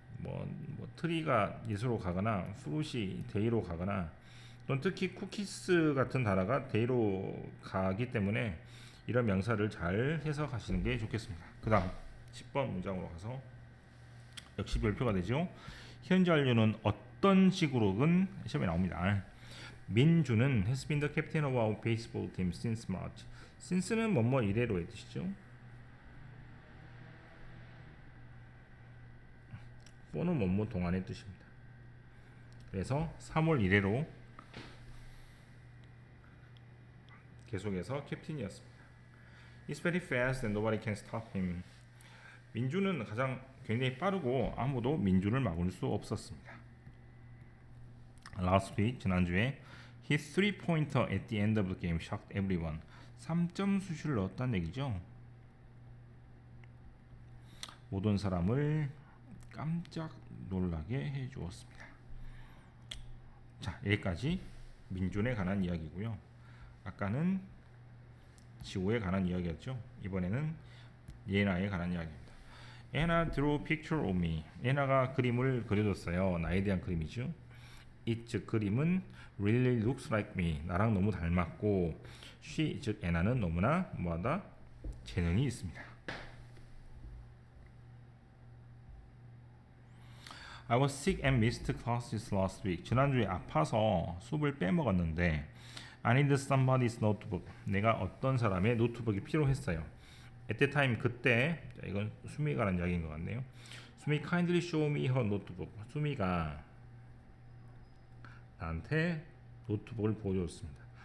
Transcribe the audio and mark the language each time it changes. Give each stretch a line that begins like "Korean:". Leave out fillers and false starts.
Korean: 뭐 트리가 예수로 가거나 프루시 데이로 가거나 또는 특히 쿠키스 같은 단어가 데이로 가기 때문에 이런 명사를 잘 해석하시는 게 좋겠습니다. 그 다음 10번 문장으로 가서 역시 별표가 되죠. 현재완료는 어떤 식으로든 시험에 나옵니다.
English: 민주는 has been the captain of our baseball team since March.
Korean: since는 뭐뭐 이래로의 뜻이죠. for는 뭐뭐 동안의 뜻입니다. 그래서 3월 이래로 계속해서 캡틴이었습니다.
English: He's very fast and nobody can stop him.
Korean: 민주는 가장 굉장히 빠르고 아무도 민주를 막을 수 없었습니다.
English: last week
Korean: 지난주에
English: his three pointer at the end of the game shocked everyone.
Korean: 3점 슛을 넣었다는 얘기죠. 모든 사람을 깜짝 놀라게 해 주었습니다. 자, 여기까지 민준에 관한 이야기고요. 아까는 지호에 관한 이야기였죠. 이번에는 예나에 관한 이야기입니다.
English: Anna drew a picture of me.
Korean: 예나가 그림을 그려줬어요. 나에 대한 그림이죠.
English: It's 그림은 really looks like me.
Korean: 나랑 너무 닮았고 she 즉 애나는 너무나 뭐하다 재능이 있습니다.
English: I was sick and missed classes last week.
Korean: 지난주에 아파서 수업을 빼먹었는데
English: I need somebody's notebook.
Korean: 내가 어떤 사람의 노트북이 필요했어요.
English: At that time
Korean: 그때 이건 수미가라는 이야기인 것 같네요. 수미
English: kindly show me her notebook.
Korean: 수미가 나한테 노트북을 보여줬습니다.